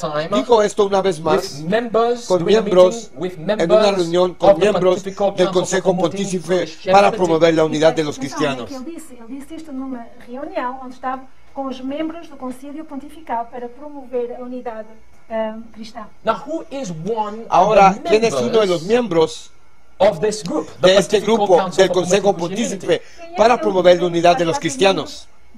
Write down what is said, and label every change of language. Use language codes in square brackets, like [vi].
[es] Dijo esto una vez más con miembros, en una reunión con miembros del Consejo Pontificio para promover la unidad de los cristianos. [pt] Ele disse isto numa reunião onde estava com os membros do Concílio Pontifical para promover a unidade cristã. [en] Now, who is one [es] Ahora, ¿quién es uno de los miembros [en] of this group, [es] de este grupo del Consejo Pontífice para promover la unidad de los cristianos?